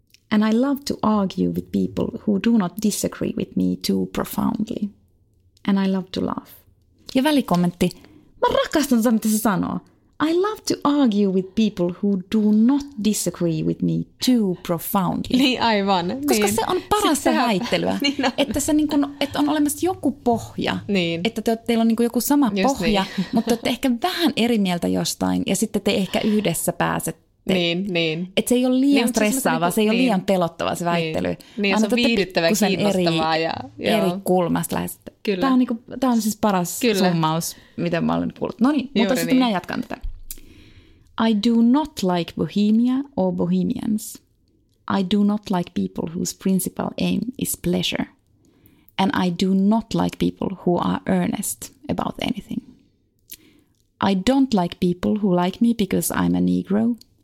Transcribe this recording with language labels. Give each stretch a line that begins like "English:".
English: And I love to argue with people who do not disagree with me too profoundly. And I love to laugh.
Finnish: Ja välikommentti. Mä rakastan sitä, mitä se sanoo.
English: I love to argue with people who do not disagree with me too profoundly.
Finnish: Niin aivan. Koska niin. Se on parasta väittelyä. Niin on. Että se niin kun, että on olemassa joku pohja. Niin. Että teillä on niin kun joku sama just pohja, niin. Mutta olette ehkä vähän eri mieltä jostain. Ja sitten te ehkä yhdessä pääsette. Niin, niin. Että se ei ole liian niin, stressaavaa, se ei ole liian pelottavaa se väittely. Niin, niin se on viihdyttävä, kiinnostavaa. Eri kulmasta lähes. Kyllä. Tämä on, niin kuin, tämä on siis paras kyllä. Summaus, mitä mä olen kuullut. No niin, mutta sitten niin. Minä jatkan tätä.
English: I do not like bohemia or bohemians. I do not like people whose principal aim is pleasure. And I do not like people who are earnest about anything. I don't like people who like me because I'm a negro.